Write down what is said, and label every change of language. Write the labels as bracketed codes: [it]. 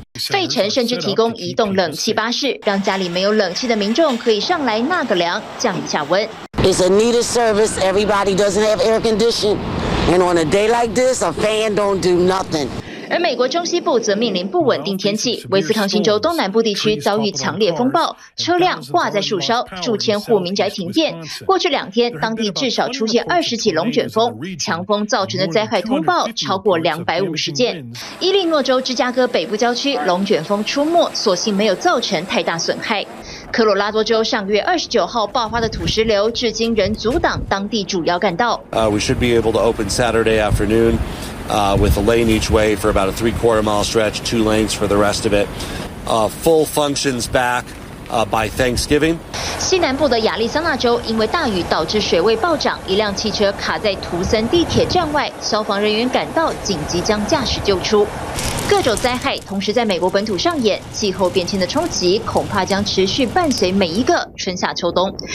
[zh] 费城甚至提供移动冷气巴士，让家里没有冷气的民众可以上来纳个凉，降一下温。 [en] It's a needed service. Everybody doesn't have air conditioning, and on a day like this, a fan don't do nothing. [zh] 而美国中西部则面临不稳定天气，威斯康星州东南部地区遭遇强烈风暴，车辆挂在树梢，数千户民宅停电。过去两天，当地至少出现20起龙卷风，强风造成的灾害通报超过250件。伊利诺州芝加哥北部郊区龙卷风出没，所幸没有造成太大损害。科罗拉多州上月29号爆发的土石流，至今仍阻挡当地主要干道。 [en] We should be able to open Saturday afternoon. With a lane each way for about a 3/4 mile stretch, 2 lanes for the rest of it. Full functions back, by Thanksgiving. [zh] 西南部的亚利桑那州因为大雨导致水位暴涨，一辆汽车卡在图森地铁站外，消防人员赶到，紧急将驾驶救出。各种灾害同时在美国本土上演，气候变迁的冲击恐怕将持续伴随每一个春夏秋冬。